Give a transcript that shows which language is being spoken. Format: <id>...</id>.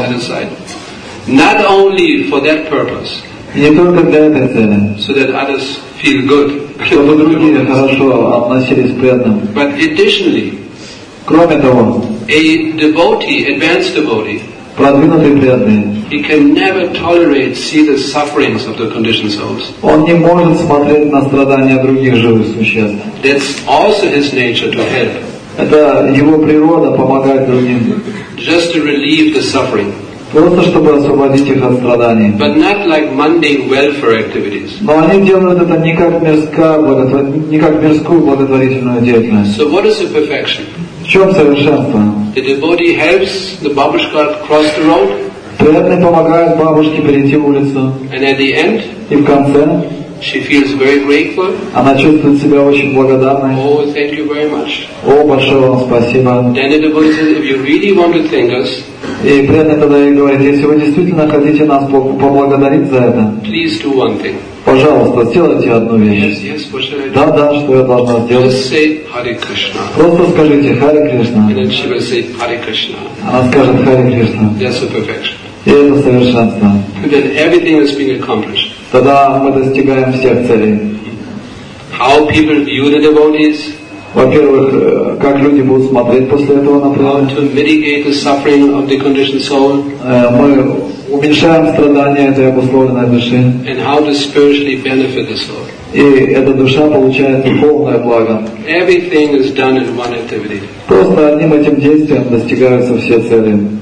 <en>Set aside. Not only for that purpose.</en> <ru>Не только для этой цели.</ru> <en>So that others feel good.</en> <ru>Чтобы другие хорошо относились к преданным.</ru> <en>But additionally.</en> <ru>Кроме того.</ru> <en>A devotee, advanced devotee,</en> <ru>продвинутый преданный,</ru> <en>he can never tolerate see the sufferings of the conditioned souls.</en> <ru>Он не может смотреть на страдания других живых существ.</ru> <en>That's also his nature to help.</en> <ru>Это его природа помогать другим.</ru> <en>Just to relieve the suffering.</en> <ru>Просто чтобы освободить их от страданий.</ru> <en>But not like mundane welfare activities.</en> <ru>Но они делают это не как мирскую благотворительную деятельность.</ru> <en>So what is the perfection?</en> <ru>В чем совершенство?</ru> <en>The devotee helps the babushka cross the road.</en> <ru>Преданный помогает бабушке перейти улицу.</ru> <en>And at the end,</en> <ru>и в конце,</ru> <en>she feels very grateful.</en> <ru>Она чувствует себя очень благодарной.</ru> <en>Oh, thank you very much.</en> <ru>О, большое вам спасибо.</ru> <en>Then the devotee says, if you really want to thank us,</en> <ru>и преданный тогда ей говорит, если вы действительно хотите нас поблагодарить за это,</ru> <en>please do one thing.</en> <ru>Пожалуйста, сделайте одну вещь.</ru> <en>Yes, yes, what should I do?</en> <ru>Да, что я должна сделать?</ru> <en>Just say Hare Krishna.</en> <ru>Просто скажите Hare Krishna.</ru> <en>And then she will say Hare Krishna.</en> <ru>Она скажет Hare Krishna.</ru> <en>That's the perfection.</en> <ru>И это совершенство.</ru> <en>Then everything has been accomplished.</en> <ru>Тогда мы достигаем всех целей.</ru> <en>How people view the devotees?</en> <ru>Во-первых, как люди будут смотреть после этого на преданных?</ru> <en>How to mitigate the suffering of the conditioned soul?</en> <ru>Мы уменьшаем страдания этой обусловленной души.</ru> <en>And how to spiritually benefit the soul?</en> <ru>И эта душа получает полное благо.</ru> <en>Everything is done in one activity.</en> <ru>Просто одним этим действием достигаются все цели.</ru>